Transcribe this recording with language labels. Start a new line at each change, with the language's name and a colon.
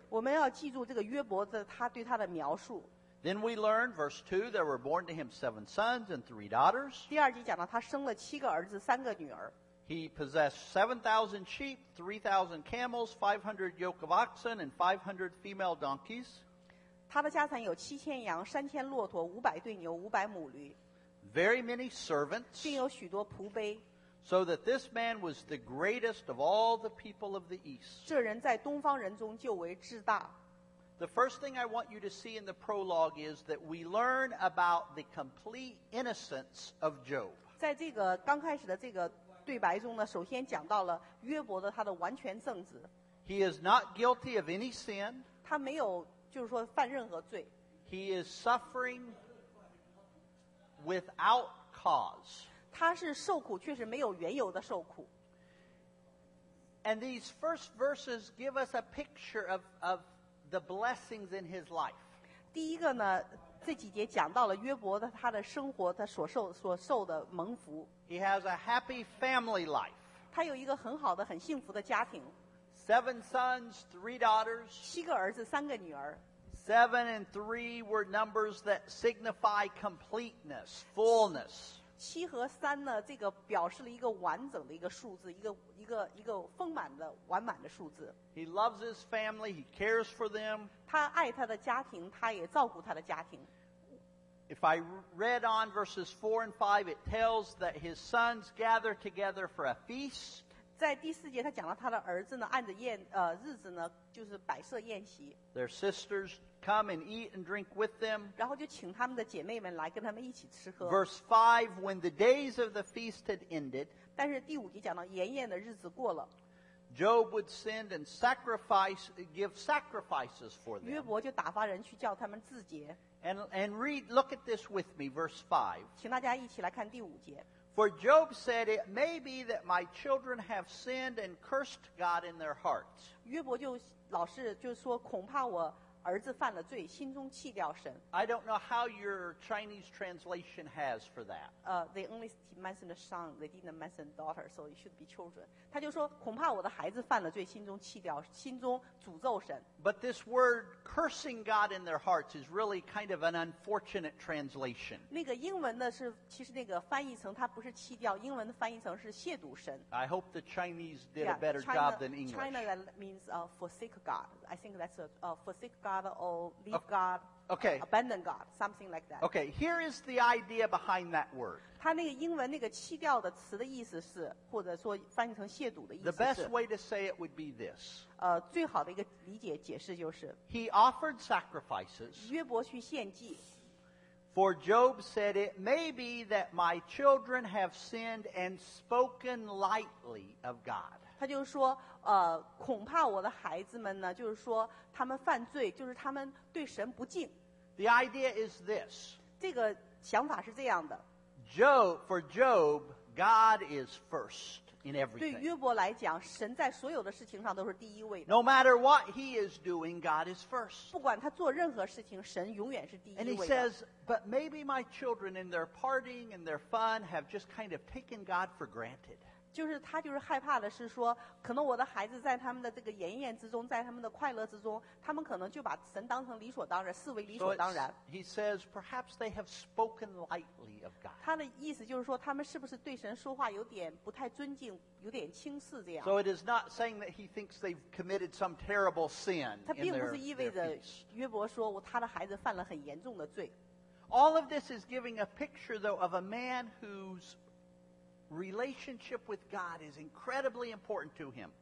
Chinese: 我们要记住这个约伯的他对他的描述。
English: Then we learn, verse 2, there were born to him 7 sons and 3 daughters.
Chinese: 第二集讲到他生了七个儿子，三个女儿。
English: He possessed 7,000 sheep, 3,000 camels, 500 yoke of oxen, and 500 female donkeys.
Chinese: 他的家产有7,000羊、3,000骆驼、500对牛、500母驴。
English: Very many servants.
Chinese: 并有许多仆婢。
English: So that this man was the greatest of all the people of the east.
Chinese: 这人在东方人中就为至大。
English: The first thing I want you to see in the prologue is that we learn about the complete innocence of Job.
Chinese: 在这个刚开始的这个对白中呢，首先讲到了约伯的他的完全正直。
English: He is not guilty of any sin.
Chinese: 他没有就是说犯任何罪。
English: He is suffering without cause.
Chinese: 他是受苦，却是没有缘由的受苦。
English: And these first verses give us a picture of the blessings in his life.
Chinese: 第一个呢，这几节讲到了约伯的他的生活，他所受的蒙福。
English: He has a happy family life.
Chinese: 他有一个很好的、很幸福的家庭。
English: 7 sons, 3 daughters.
Chinese: 七个儿子，三个女儿。
English: 7 and 3 were numbers that signify completeness, fullness.
Chinese: 七和三呢，这个表示了一个完整的一个数字，一个丰满的、完满的数字。
English: He loves his family. He cares for them.
Chinese: 他爱他的家庭，他也照顾他的家庭。
English: If I read on verses 4 and 5, it tells that his sons gather together for a feast.
Chinese: 在第四节他讲到他的儿子呢，按着宴日子呢，就是摆设宴席。
English: Their sisters come and eat and drink with them.
Chinese: 然后就请他们的姐妹们来跟他们一起吃喝。
English: Verse 5, when the days of the feast had ended,
Chinese: 但是第五节讲到筵宴的日子过了。
English: Job would send and sacrifice, give sacrifices for them.
Chinese: 约伯就打发人去叫他们自洁。
English: And read, look at this with me, verse 5.
Chinese: 请大家一起来看第五节。
English: For Job said, it may be that my children have sinned and cursed God in their hearts.
Chinese: 约伯就老是就说恐怕我儿子犯了罪心中弃掉神。
English: I don't know how your Chinese translation has for that. They only mentioned a son, they didn't mention daughter, so it should be children.
Chinese: 他就说恐怕我的孩子犯了罪心中弃掉心中诅咒神。
English: But this word cursing God in their hearts is really kind of an unfortunate translation.
Chinese: 那个英文的是其实那个翻译层它不是弃掉英文的翻译层是亵渎神。
English: I hope the Chinese did a better job than English. China that means forsake God. I think that's forsake God or leave God, okay. Abandon God, something like that. Okay, here is the idea behind that word.
Chinese: 它那个英文那个弃掉的词的意思是，或者说翻译成亵渎的意思是。
English: The best way to say it would be this.
Chinese: 最好的一个理解解释就是。
English: He offered sacrifices.
Chinese: 约伯去献祭。
English: For Job said, "It may be that my children have sinned and spoken lightly of God."
Chinese: 他就说。恐怕我的孩子们呢，就是说他们犯罪，就是他们对神不敬。
English: The idea is this.
Chinese: 这个想法是这样的。
English: For Job, God is first in everything.
Chinese: 对约伯来讲，神在所有的事情上都是第一位的。
English: No matter what he is doing, God is first.
Chinese: 不管他做任何事情，神永远是第一位的。
English: And he says, but maybe my children in their partying and their fun have just kind of taken God for granted.
Chinese: 就是他就是害怕的是说可能我的孩子在他们的这个筵宴之中在他们的快乐之中他们可能就把神当成理所当然视为理所当然
English: He says perhaps they have spoken lightly of God
Chinese: 他的意思就是说他们是不是对神说话有点不太尊敬有点轻视这样
English: So it is not saying that he thinks they've committed some terrible sin
Chinese: 他并不是意味着约伯说他的孩子犯了很严重的罪
English: All of this is giving a picture though of a man who'sRelationship with God is incredibly important to him.